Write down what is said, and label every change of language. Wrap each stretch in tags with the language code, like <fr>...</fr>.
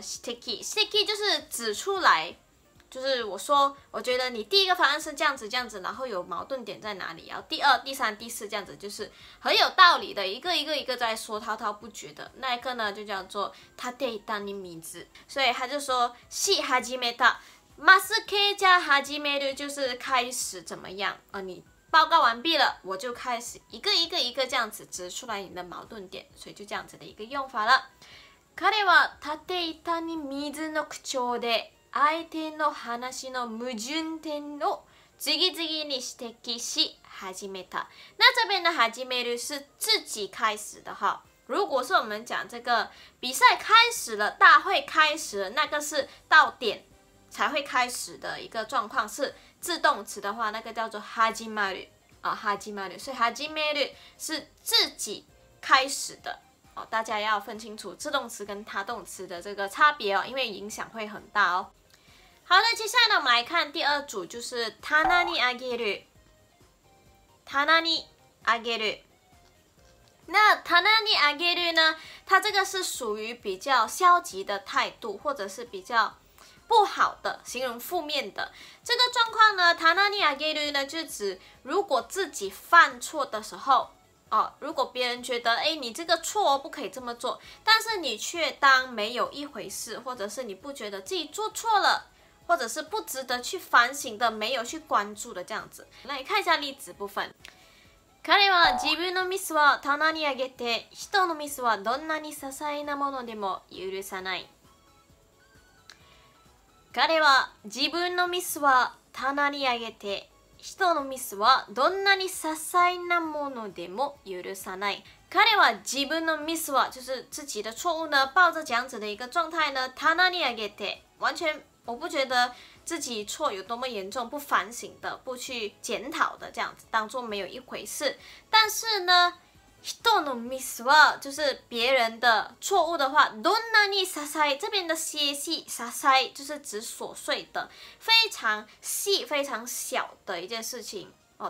<zh>sticky 就是指出来，就是我说，我觉得你第一个方案是这样子这样子，然后有矛盾点在哪里，然后第二、第三、第四这样子，就是很有道理的，一个一个一个在说，滔滔不绝的那一个呢，就叫做他第一单的名字。所以他就说，</zh> <ja>し始めた，まずけじゃ始める</ja> <zh>就是开始怎么样啊你。报告完毕了，我就开始一个一个一个这样子指出来你的矛盾点，所以就这样子的一个用法了。</zh> <ja>彼は立て板に水の口調で相手の話の矛盾点を次々に指摘し始めた。</ja> <zh>那这边的始める是自己开始的哈。如果是我们讲这个比赛开始了，大会开始了，那个是到点才会开始的一个状况是。自动词的话，那个叫做始まる啊，始まる。所以始める是自己开始的哦，大家要分清楚自动词跟他动词的这个差别哦，因为影响会很大哦。好的，接下来呢，我们来看第二组，就是</zh> <ja>棚にあげる。棚にあげる。</ja> <zh>那棚にあげる呢，它这个是属于比较消极的态度，或者是比较。不好的形容负面的这个状况呢，他那尼阿给鲁呢，就指如果自己犯错的时候，如果别人觉得哎你这个错不可以这么做，但是你却当没有一回事，或者是你不觉得自己做错了，或者是不值得去反省的，没有去关注的这样子。那你看一下例子部分。</zh> <ja>彼は自分のミスは棚にあげて、人のミスはどんなに些細なものでも許さない。彼は自分のミスは棚にあげて、人のミスはどんなに些細なものでも許さない。彼は自分のミスは</ja> <zh>就是自己的错误呢，抱着这样子的一个状态呢，</zh> <ja>棚にあげて，</ja> <zh>完全我不觉得自己错有多么严重，不反省的，不去检讨的，这样子当做没有一回事。但是呢，</zh> <ja>人のミスは</ja> <zh>就是别人的错误的话，</zh> <ja>どんなに些細，</ja> <zh>这边的些細，些細就是指琐碎的，非常细、非常小的一件事情哦。</zh>